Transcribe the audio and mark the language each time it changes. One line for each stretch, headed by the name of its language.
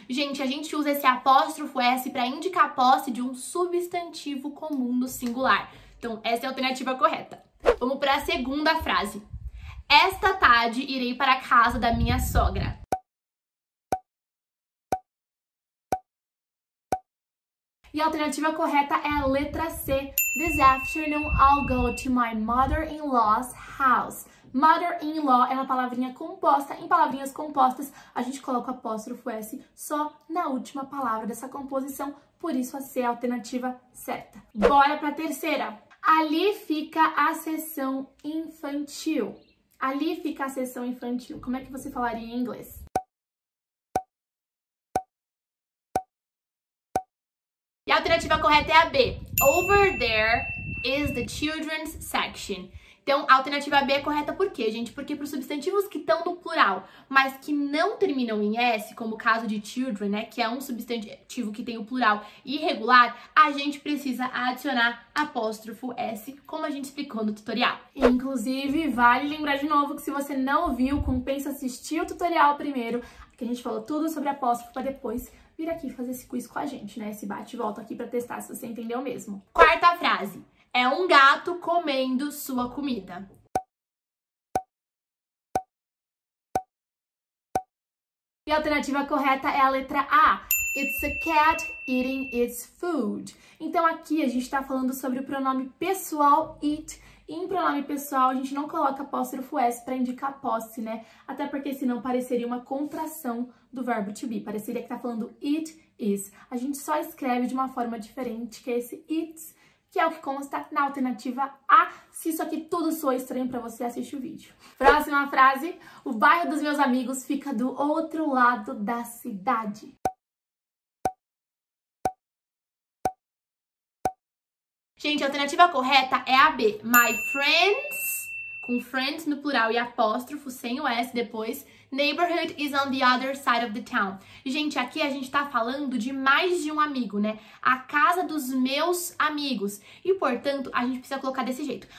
Portuguese: Gente, a gente usa esse apóstrofo S para indicar a posse de um substantivo comum no singular. Então, essa é a alternativa correta. Vamos para a segunda frase. Esta tarde irei para a casa da minha sogra. E a alternativa correta é a letra C.
English: This afternoon I'll go to my mother-in-law's house.
Portuguese: Mother-in-law é uma palavrinha composta. Em palavrinhas compostas, a gente coloca o apóstrofo S só na última palavra dessa composição. Por isso, a C é a alternativa certa. Bora para a terceira. Ali fica a sessão infantil. Ali fica a sessão infantil. Como é que você falaria em inglês? E a alternativa correta é a B.
English: Over there is the children's section.
Portuguese: Então, a alternativa B é correta por quê, gente? Porque para os substantivos que estão no plural, mas que não terminam em S, como o caso de children, né, que é um substantivo que tem o plural irregular, a gente precisa adicionar apóstrofo S, como a gente explicou no tutorial. Inclusive, vale lembrar de novo que se você não viu, compensa assistir o tutorial primeiro, que a gente falou tudo sobre apóstrofo, para depois vir aqui fazer esse quiz com a gente, né? Esse bate e volta aqui para testar se você entendeu mesmo. Quarta frase. É um gato comendo sua comida. E a alternativa correta é a letra A.
English: It's a cat eating its food.
Portuguese: Então aqui a gente está falando sobre o pronome pessoal it. E em pronome pessoal a gente não coloca apóstrofo S para indicar posse, né? Até porque senão pareceria uma contração do verbo to be. Pareceria que está falando it is. A gente só escreve de uma forma diferente, que é esse it's, que é o que consta na alternativa A. Se isso aqui tudo soa estranho para você, assiste o vídeo. Próxima frase. O bairro dos meus amigos fica do outro lado da cidade. Gente, a alternativa correta é a B. My friends, com friends no plural e apóstrofo, sem o S depois.
English: Neighborhood is on the other side of the town.
Portuguese: Gente, aqui a gente tá falando de mais de um amigo, né? A casa dos meus amigos. E, portanto, a gente precisa colocar desse jeito.